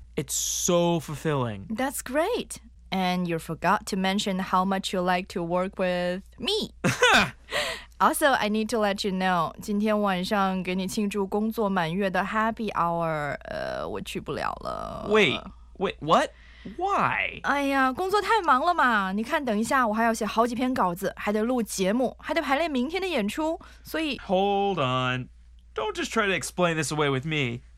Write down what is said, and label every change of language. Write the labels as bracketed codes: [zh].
[en] It's so fulfilling. That's great. And you forgot to mention how much you like to work with me. Also, I need to let you know, [zh] 今天晚上给你庆祝工作满月的 happy hour, 我去不了了。 [en] Wait, what? Why? [zh] 哎呀，工作太忙了嘛。你看等一下我还要写好几篇稿子，还得录节目，还得排练明天的演出，所以 [en] Hold on. Don't just try to explain this away with me.